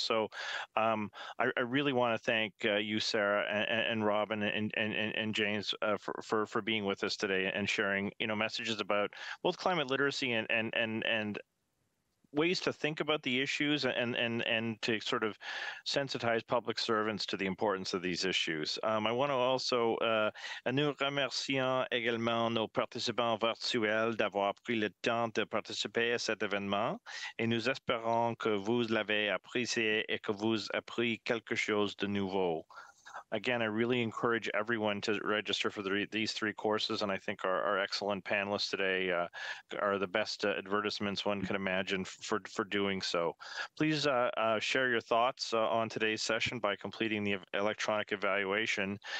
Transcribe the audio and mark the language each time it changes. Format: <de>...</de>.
<en>So I really want to thank you, Sarah, and Robin and James for being with us today and sharing messages about both climate literacy and ways to think about the issues and to sort of sensitize public servants to the importance of these issues. I want to also</en> <fr>nous remercions également nos participants virtuels d'avoir pris le temps de participer à cet événement, et nous espérons que vous l'avez apprécié et que vous avez appris quelque chose de nouveau.</fr> <en>Again, I really encourage everyone to register for these three courses, and I think our excellent panelists today are the best advertisements one can imagine for doing so. Please share your thoughts on today's session by completing the electronic evaluation.</en>